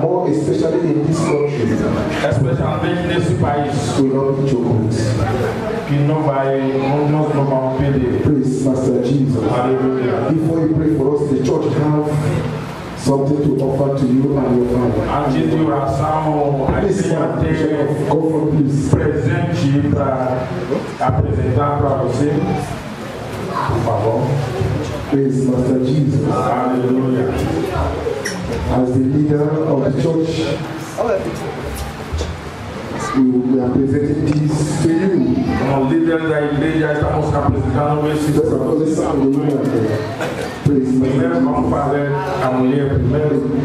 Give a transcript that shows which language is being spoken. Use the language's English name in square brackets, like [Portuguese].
[English] More especially in this country. [Portuguese] Especialmente nesse país. [English] Will not be choked. [Portuguese] Que não vai, nós não vamos perder. [English] Please, Master Jesus. Hallelujah. Before you pray for us, the church have something to offer to you and your father. [Portuguese] Antes de oração, presente para apresentar para você, por favor. [English] Praise Master Jesus. Hallelujah. As the leader of the church, we are presenting this to you. [Portuguese] Como líder da igreja, estamos apresentando esse presente. Vamos fazer a mulher primeiro.